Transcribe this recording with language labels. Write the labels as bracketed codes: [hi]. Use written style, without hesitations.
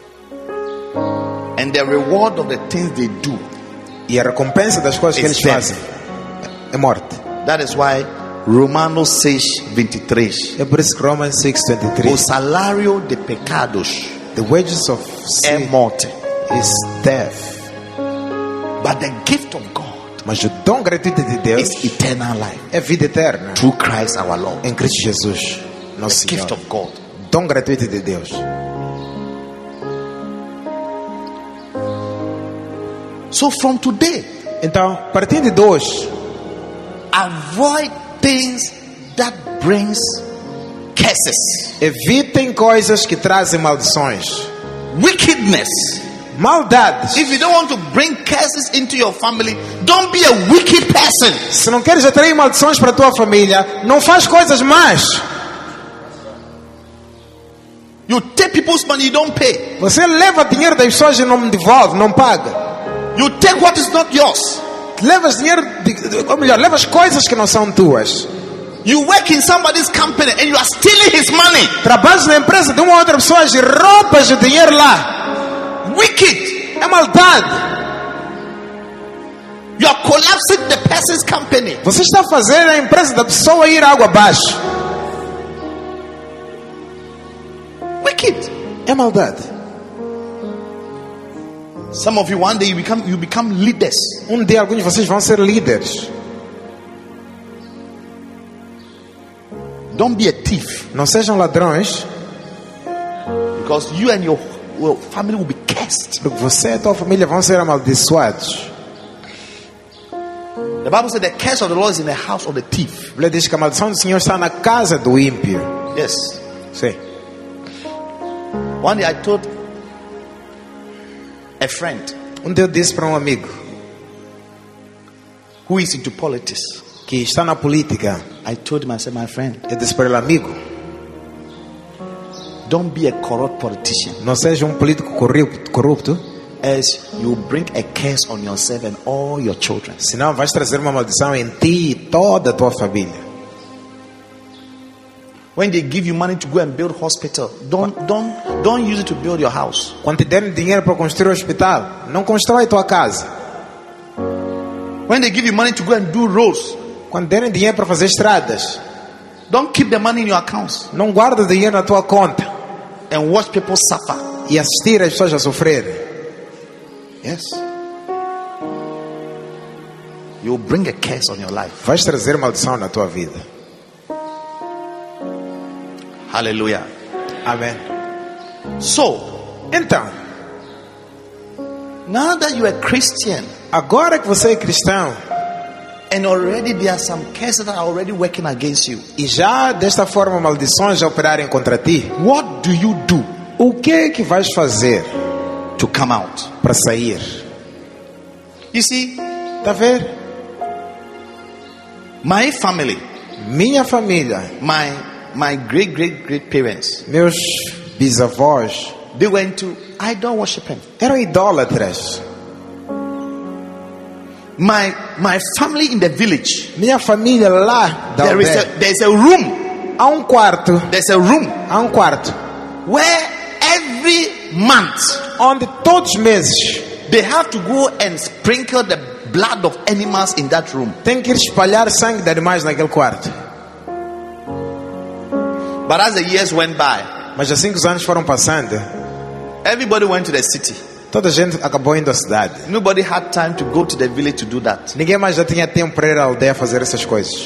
[en] And the reward of the things they do. [pt] E a recompensa das coisas que eles fazem é morte. [en] That is why Romanos 6:23. [pt] É por isso que Romanos 6:23. O salário de pecados. [en] The wages of sin. [pt] É morte. [en] Is death, but the gift of God, [pt] mas o dom gratuito de Deus, [en] is eternal life, [pt] é vida eterna, [en] through Christ our Lord, [pt] em Cristo Jesus, nosso Senhor. [en] Gift of God, [pt] dom gratuito de Deus. [en] So from today, [pt] então, partindo de hoje, [en] avoid things that brings curses. [pt] Evitem coisas que trazem maldições, [en] wickedness. [pt] Maldades. [en] If you don't want to bring curses into your family, don't be a wicked person. [pt] Se não queres atrair maldições para tua família, não faz coisas más. [en] You take people's money, you don't pay. [pt] Você leva dinheiro das pessoas e não devolve, não paga. [en] You take what is not yours. [pt] Levas dinheiro, ou melhor, levas coisas que não são tuas. [en] You work in somebody's company and you are stealing his money. [pt] Trabalhas na empresa de uma outra pessoa e roubas o dinheiro lá. [en] Wicked, [pt] é maldade. [en] You are collapsing the person's company. [pt] Você está fazendo a empresa da pessoa ir água abaixo. [en] Wicked. [pt] É maldade. [en] Some of you, one day you become leaders. [pt] Um dia alguns de vocês vão ser líderes. [en] Don't be a thief. [pt] Não sejam ladrões. [en] Because you and your family will be cursed. [pt] Porque você e tua família vão ser amaldiçoados. [en] The Bible says the curse of the Lord is in the house of the thief. [pt] A Bíblia diz que a maldição do Senhor está na casa do ímpio. [en] Yes. [pt] Sim. [en] One day I told a friend. [pt] Um dia eu disse para um amigo. [en] Who is into politics? [pt] Que está na política. [en] I told him, I said, my friend. [pt] Eu disse para ele, amigo. [en] Don't be a corrupt politician. [pt] Não seja político corrupto. [en] As you bring a curse on yourself and all your children. [pt] Senão vais trazer uma maldição em ti e toda a tua família. [en] When they give you money to go and build hospital, don't use it to build your house. [pt] Quando te derem dinheiro para construir um hospital, não constrói tua casa. [en] When they give you money to go and do roads, [pt] quando derem dinheiro para fazer estradas, [en] don't keep the money in your accounts. [pt] Não guarda dinheiro na tua conta. [en] And watch people suffer. [pt] E assistir as pessoas a sofrerem. [en] Yes. You will bring a curse on your life. [pt] Vais trazer maldição na tua vida. Hallelujah. Amen. [en] So, [pt] então, [en] now that you are Christian, [pt] agora que você é cristão, [en] and already there are some curses that are already working against you. [pt] E já desta forma maldições já operarem contra ti. [en] What do you do? [pt] O que é que vais fazer? [en] To come out. [pt] Para sair. [en] You see? [pt] Tá ver? [en] My family. [pt] Minha família. [en] My great great great parents. [pt] Meus bisavós. [en] They went to idol worshiping. [pt] Eram idólatras. [en] My family in the village. [pt] Minha família lá da aldeia. [en] There's a room. [pt] Há um quarto. [en] There's a room. [pt] Há um quarto. [en] Where every month. [pt] Onde todos os meses. [en] They have to go and sprinkle the blood of animals in that room. [pt] Tem que espalhar sangue de animais naquele quarto. [en] But as the years went by. [pt] Mas assim que os anos foram passando. [en] Everybody went to the city. [pt] Toda a gente acabou indo à cidade. [en] Nobody had time to go to the village to do that. [pt] Ninguém mais já tinha tempo para ir à aldeia fazer essas coisas.